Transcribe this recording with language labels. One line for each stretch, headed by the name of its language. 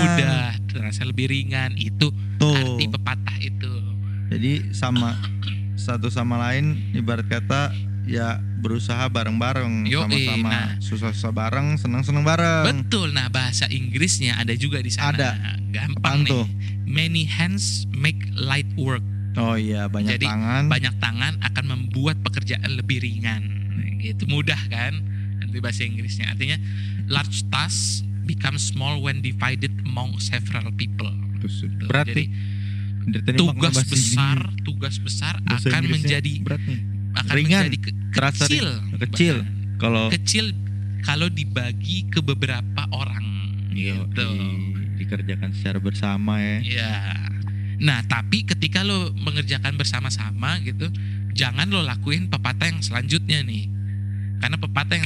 Indonesian: Mudah, terasa lebih ringan. Itu tuh arti pepatah itu. Jadi sama satu sama lain ibarat kata ya berusaha bareng-bareng. Yo, sama-sama nah, susah-susah bareng, senang-senang bareng. Betul. Nah, bahasa Inggrisnya ada juga di sana. Ada. Gampang nih.
English: Many hands make light work.
Indonesian: Oh iya, banyak jadi, tangan. Jadi banyak tangan akan membuat pekerjaan lebih ringan. Gitu, mudah kan? Nanti bahasa Inggrisnya artinya
English: large task become small when divided among several people.
Indonesian: Berat nih. Tugas besar, ini. Tugas besar akan menjadi berat nih. Akan ringan, menjadi kecil. Kecil. Kalau kecil kalau dibagi ke beberapa orang. Gitu. Dikerjakan secara bersama ya. Iya. Nah, tapi ketika lo mengerjakan bersama-sama gitu, jangan lo lakuin pepatah yang selanjutnya nih. Karena pepatah yang